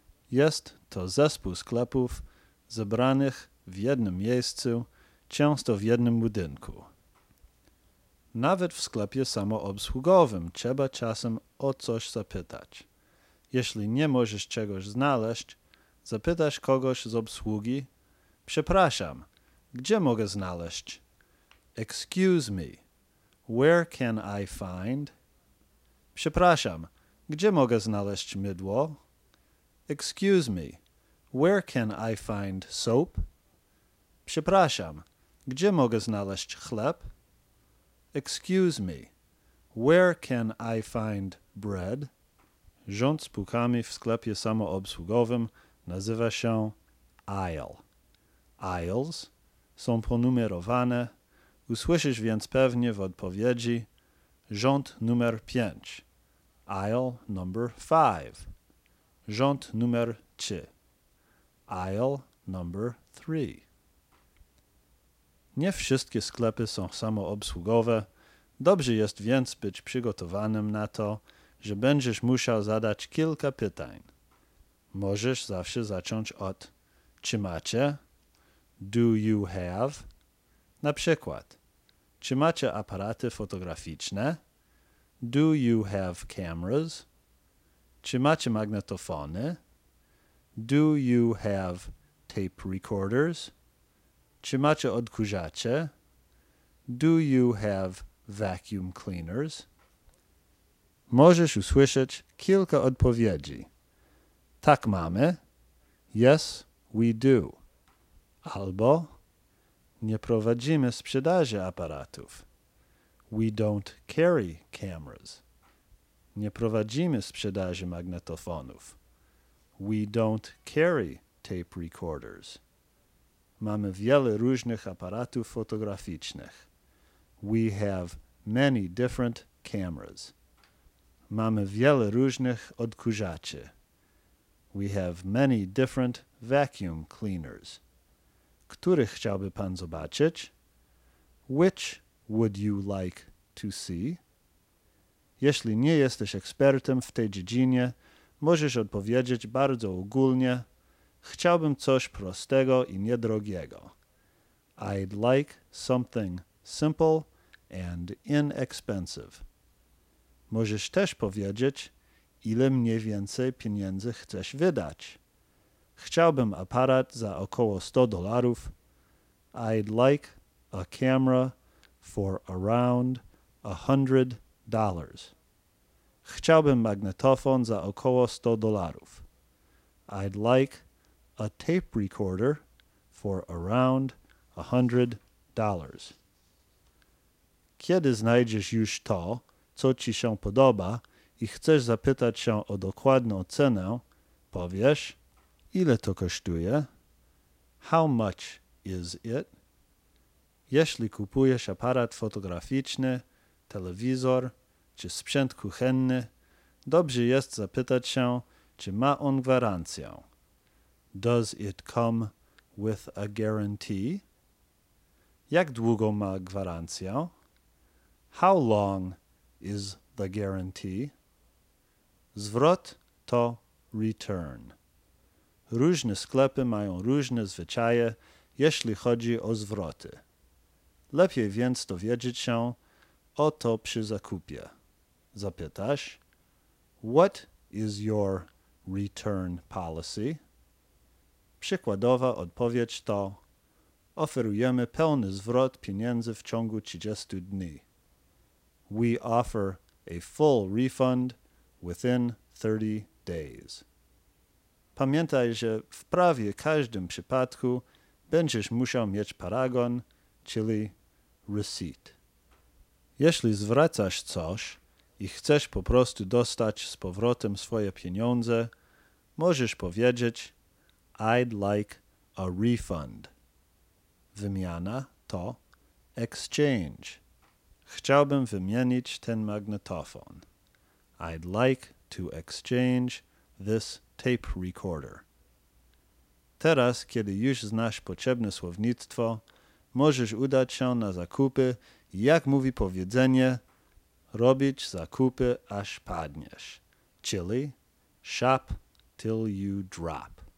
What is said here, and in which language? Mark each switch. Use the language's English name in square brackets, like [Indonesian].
[Polish] Jest to zespół sklepów zebranych w jednym miejscu, często w jednym budynku. Nawet w sklepie samoobsługowym trzeba czasem o coś zapytać. Jeśli nie możesz czegoś znaleźć, zapytasz kogoś z obsługi: przepraszam, gdzie mogę znaleźć? [English] Excuse me, where can I find? [Polish] Przepraszam, gdzie mogę znaleźć mydło? [English] Excuse me, where can I find soap? [Polish] Przepraszam, gdzie mogę znaleźć chleb? [English] Excuse me, where can I find bread? [Polish] Rząd z półkami w sklepie samoobsługowym nazywa się aisle. Aisles są ponumerowane. Usłyszysz więc pewnie w odpowiedzi rząd numer 5, [English] aisle number 5, [Polish] rząd numer 3, [English] aisle number 3. [Polish] Nie wszystkie sklepy są samoobsługowe. Dobrze jest więc być przygotowanym na to, że będziesz musiał zadać kilka pytań. Możesz zawsze zacząć od: czy macie? [English] Do you have? [Polish] Na przykład: czy macie aparaty fotograficzne? [English] Do you have cameras? [Polish] Czy macie magnetofony? [English] Do you have tape recorders? [Polish] Czy macie odkurzacze? [English] Do you have vacuum cleaners? [Polish] Możesz usłyszeć kilka odpowiedzi. Tak, mamy. [English] Yes, we do. [Polish] Albo: nie prowadzimy sprzedaży aparatów. [English] We don't carry cameras. [Polish] Nie prowadzimy sprzedaży magnetofonów. [English] We don't carry tape recorders. [Polish] Mamy wiele różnych aparatów fotograficznych. [English] We have many different cameras. [Polish] Mamy wiele różnych odkurzaczy. [English] We have many different vacuum cleaners. [Polish] Który chciałby pan zobaczyć? [English] Which would you like to see? [Polish] Jeśli nie jesteś ekspertem w tej dziedzinie, możesz odpowiedzieć bardzo ogólnie: chciałbym coś prostego i niedrogiego. [English] I'd like something simple and inexpensive. [Polish] Możesz też powiedzieć, ile mniej więcej pieniędzy chcesz wydać. Chciałbym aparat za około $100. [English] I'd like a camera for around $100. [Polish] Chciałbym magnetofon za około $100. [English] I'd like a tape recorder for around $100. [Polish] Kiedy znajdziesz już to, co ci się podoba i chcesz zapytać się o dokładną cenę, powiesz: ile to kosztuje? [English] How much is it? [Polish] Jeśli kupujesz aparat fotograficzny, telewizor czy sprzęt kuchenny, dobrze jest zapytać się, czy ma on gwarancję. [English] Does it come with a guarantee? [Polish] Jak długo ma gwarancję? [English] How long is the guarantee? [Polish] Zwrot to return. Różne sklepy mają różne zwyczaje, jeśli chodzi o zwroty. Lepiej więc dowiedzieć się o to przy zakupie. Zapytasz: [English] what is your return policy? [Polish] Przykładowa odpowiedź to: oferujemy pełny zwrot pieniędzy w ciągu 30 dni. [English] We offer a full refund within 30 days. [Polish] Pamiętaj, że w prawie każdym przypadku będziesz musiał mieć paragon, czyli receipt. Jeśli zwracasz coś i chcesz po prostu dostać z powrotem swoje pieniądze, możesz powiedzieć [English] I'd like a refund. [Polish] Wymiana to exchange. Chciałbym wymienić ten magnetofon. [English] I'd like to exchange this tape recorder. [Polish] Teraz, kiedy już znasz potrzebne słownictwo, możesz udać się na zakupy i, jak mówi powiedzenie, robić zakupy aż padniesz, czyli [English] shop till you drop.